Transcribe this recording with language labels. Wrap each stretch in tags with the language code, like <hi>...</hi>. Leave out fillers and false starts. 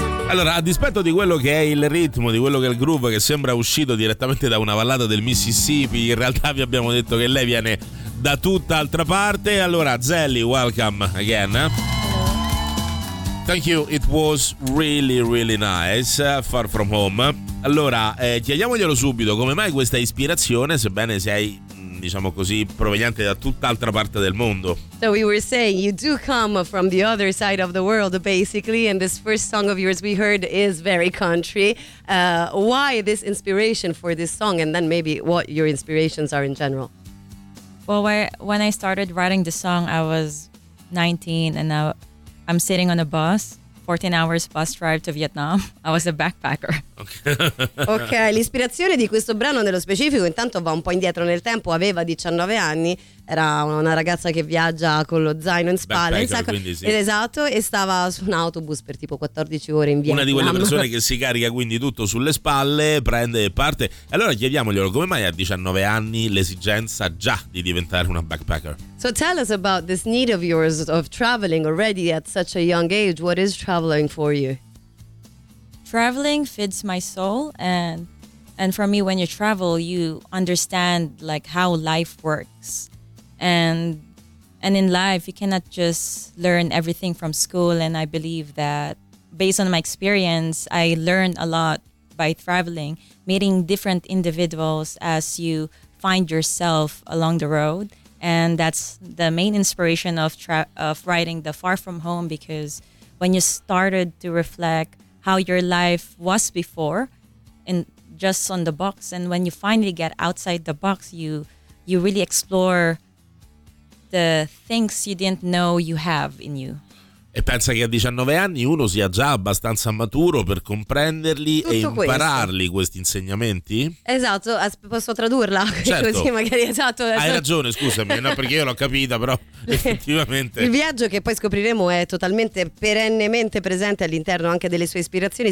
<it>Allora, a dispetto di quello che è il ritmo, di quello che è il groove, che sembra uscito direttamente da una ballata del Mississippi, in realtà vi abbiamo detto che lei viene da tutt'altra parte. Allora,</it> <en>Zelly, welcome again. Thank you, it was really, really nice, Far From Home.</en> <it>Allora, chiediamoglielo subito, come mai questa ispirazione, sebbene sei, diciamo così, proveniente da tutt'altra parte del mondo?</it> <en>So we were saying you do come from the other side of the world, basically, and this first song of yours we heard is very country. Why this inspiration for this song, and then maybe what your inspirations are in general? Well, when I started writing the song, I was 19, and I'm sitting on a bus, 14 hours bus drive to Vietnam. I was a backpacker. Okay.</en> <it>Ok, l'ispirazione di questo brano nello specifico intanto va un po' indietro nel tempo. Aveva 19 anni, era una ragazza che viaggia con lo zaino in spalla,</it> <en>backpacker,</en> <it>quindi sì. Esatto, e stava su un autobus per tipo 14 ore in Vietnam. Una di quelle persone che si carica quindi tutto sulle spalle, prende e parte. Allora chiediamoglielo, come mai a 19 anni l'esigenza già di diventare una backpacker?</it> <en>So tell us about this need of yours of traveling already at such a young age. What is traveling for you? Traveling feeds my soul and And for me, when you travel, you understand like how life works. And in life, you cannot just learn everything from school. And I believe that based on my experience, I learned a lot by traveling, meeting different individuals as you find yourself along the road. And that's the main inspiration of writing the Far From Home, because when you started to reflect how your life was before and just on the box, and when you finally get outside the box, you really explore the things you didn't know you have in you.</en> <it>E pensa che a 19 anni uno sia già abbastanza maturo per comprenderli tutto e impararli questo. Questi insegnamenti? Esatto, posso tradurla? Certo. Così magari, esatto. Hai ragione, scusami, no, perché io l'ho capita, però effettivamente... Il viaggio che poi scopriremo è totalmente perennemente presente all'interno anche delle sue ispirazioni.</it>